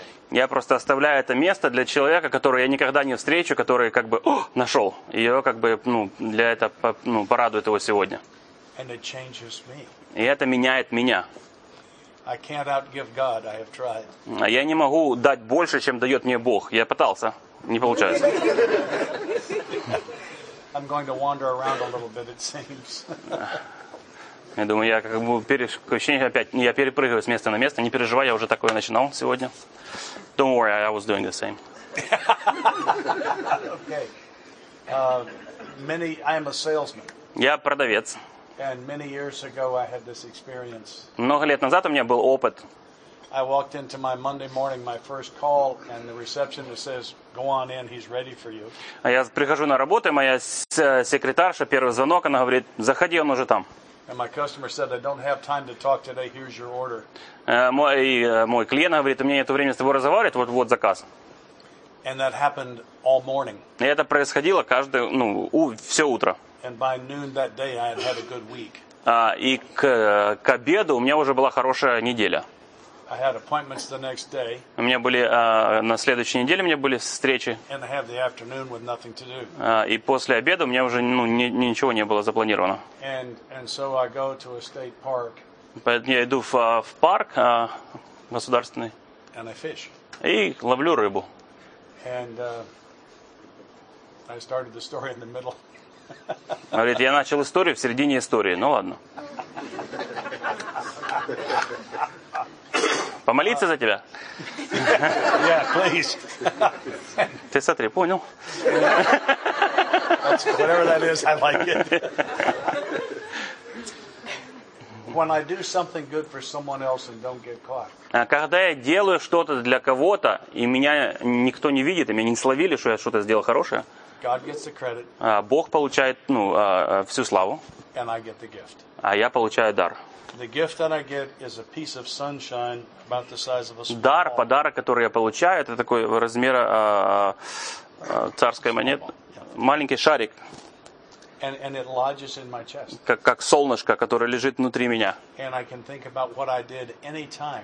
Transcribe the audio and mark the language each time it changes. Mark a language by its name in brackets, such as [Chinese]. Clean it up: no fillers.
[Russian] Я просто оставляю это место для человека, которого я никогда не встречу, который как бы нашел. И его как бы для этого порадует его сегодня. [English] And it changes me. [Russian] И это меняет меня. [English] I can't outgive God. I have tried. [Russian] Я не могу дать больше, чем дает мне Бог. Я пытался, не получается. [English] I'm going to wander around a little bit, it seems. [Russian] Я думаю, я как бы я перепрыгиваю с места на место. Не переживай, я уже такое начинал сегодня. [English] Don't worry, I was doing the same. Okay. I am a salesman. [Russian] Я продавец. [English] And many years ago I had this experience. [Russian] Много лет назад у меня был опыт. [English] I walked into my Monday morning, my first call, and the receptionist says, "Go on in, he's ready for you." [Russian] А я прихожу на работу, моя секретарша, первый звонок, она говорит: "Заходи, он уже там." [English] And my customer said, "I don't have time to talk today, here's your order." [Russian] Мой клиент говорит: "У меня нет времени с тобой разговаривать, вот заказ." [English] And that happened all morning. [Russian] И это происходило каждое, все утро. [English] And by noon that day I had had a good week. [Russian] И к обеду у меня уже была хорошая неделя. [English] I had appointments the next day. [Russian] У меня были на следующей неделе у меня были встречи. [English] And I had the afternoon with nothing to do. [Russian] И после обеда у меня уже ничего не было запланировано. [English] And so I go to a state park. [Russian] Поэтому я иду в парк государственный. [English] And I fish. [Russian] И ловлю рыбу. [English] And I started the story in the middle. [Russian] Говорит, я начал историю в середине истории. Ну ладно. Помолиться за тебя? [English] Yeah, please. [Russian] Ты смотри, понял? [English] That's, whatever that is, I like it. When I do something good for someone else and don't get caught. [Russian] Когда я делаю что-то для кого-то, и меня никто не видит, и меня не словили, что я что-то сделал хорошее, [English] God gets the credit. [Russian] Бог получает, ну, всю славу. [English] And I get the gift. [Russian] А я получаю дар. [English] The gift that I get is a piece of sunshine about the size of a sunshine. [Russian] Дар, подарок, который я получаю, это такой размера царской монеты. Маленький шарик. [English] And it lodges in my chest. [Russian] Как солнышко, которое лежит внутри меня. [English] And I can think about what I did anytime.